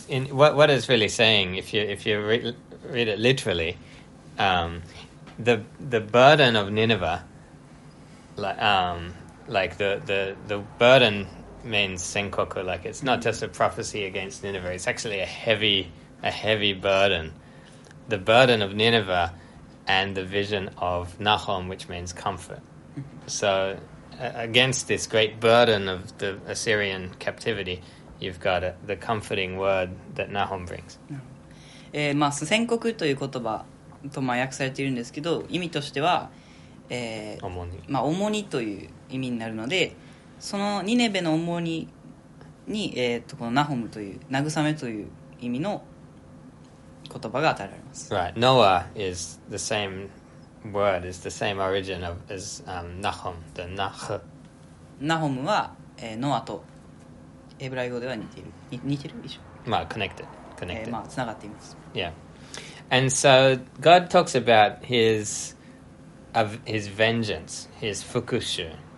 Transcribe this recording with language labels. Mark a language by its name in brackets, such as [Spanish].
[English] what it's really saying, if you read it literally, the burden of Nineveh, like the burden means senkoku, like it's not just a prophecy against Nineveh, it's actually a heavy burden. The burden of Nineveh and the vision of Nahum, which means comfort. So against this great burden of the Assyrian captivity,You've got it, the comforting word that Nahum brings. [Japanese] まあ、宣告という言葉とまあ訳されているんですけど、意味としては、重荷、まあ、重荷という意味になるので、そのニネベの重荷に、このナホムという慰めという意味の言葉が与えられます。 [English] Right. Noah is the same word, is the same origin of as Nahum, the Nah. [Japanese] ナホムは、ノアとエブライ語では似てる以上。 [English] まあ、connected.、 [Japanese] まあ、つながっています。 [English] Yeah. And so, God talks about his vengeance, his 復讐.